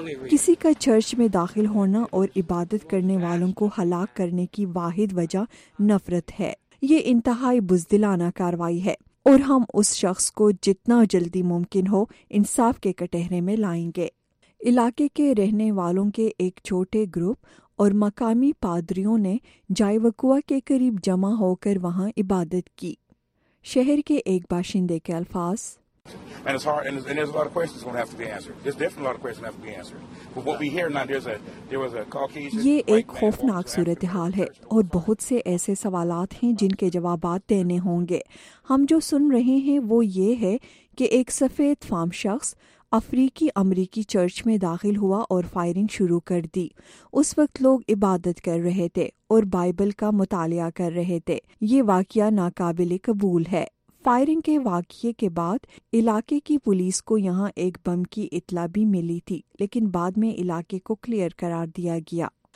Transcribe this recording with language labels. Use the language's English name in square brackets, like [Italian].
[Urdu] کسی کا چرچ میں داخل ہونا اور عبادت کرنے والوں کو ہلاک کرنے کی واحد وجہ نفرت ہے، یہ انتہائی بزدلانہ کارروائی ہے، اور ہم اس شخص کو جتنا جلدی ممکن ہو انصاف کے کٹہرے میں لائیں گے۔ علاقے کے رہنے والوں کے ایک چھوٹے گروپ اور مقامی پادریوں نے جائے وقوع کے قریب جمع ہو کر وہاں عبادت کی۔ شہر کے ایک باشندے کے الفاظ، [English] And it's hard, and there's a lot of questions going to have to be answered. There's definitely a lot of questions have to be answered. But what we hear now, there was a Caucasian... [Urdu] یہ ایک خوفناک صورتحال ہے اور بہت سے ایسے سوالات ہیں جن کے جوابات دینے ہوں گے۔ ہم جو سن رہے ہیں وہ یہ ہے کہ ایک سفید فام شخص افریقی امریکی چرچ میں داخل ہوا اور فائرنگ شروع کر دی۔ اس وقت لوگ عبادت کر رہے تھے اور بائبل کا مطالعہ کر رہے تھے۔ یہ واقعہ ناقابل قبول ہے۔ فائرنگ کے واقعے کے بعد علاقے کی پولیس کو یہاں ایک بم کی اطلاع بھی ملی تھی، لیکن بعد میں علاقے کو کلیئر قرار دیا گیا۔